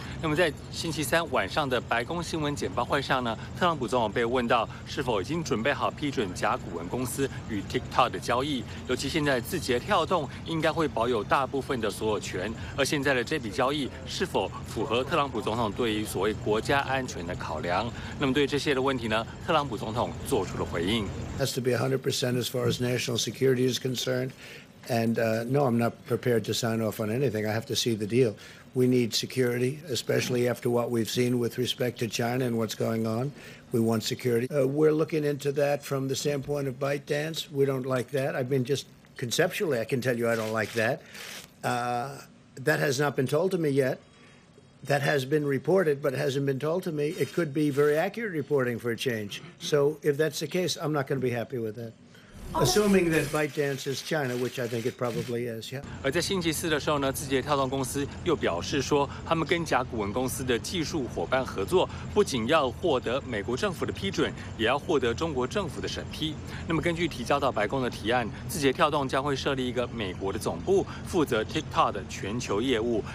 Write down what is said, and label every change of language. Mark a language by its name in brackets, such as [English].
[Chinese] 那么在星期三晚上的白宫新闻简报会上呢，特朗普总统被问到是否已经准备好批准甲骨文公司与 TikTok 的交易，尤其现在字节跳动应该会保有大部分的所有权，而现在的这笔交易是否符合特朗普总统对于所谓国家安全的考量。那么对这些的问题呢，特朗普总统做出了回应。 [English] Has to be 100% as far as national security is concerned. And no, I'm not prepared to sign off on anything. I have to see the deal. We need security, especially after what we've seen with respect to China and what's going on. We want security. We're looking into that from the standpoint of ByteDance. We don't like that. I mean, just conceptually, I can tell you I don't like that. That has not been told to me yet. That has been reported, but hasn't been told to me. It could be very accurate reporting for a change. So if that's the case, I'm not going to be happy with that. Assuming that ByteDance is China, which I think it probably is, yeah. [Chinese] 而在星期四的时候呢，字节跳动公司又表示说，他们跟甲骨文公司的技术伙伴合作，不仅要获得美国政府的批准，也要获得中国政府的审批。那么根据提交到白宫的提案，字节跳动将会设立一个美国的总部，负责 TikTok 的全球业务。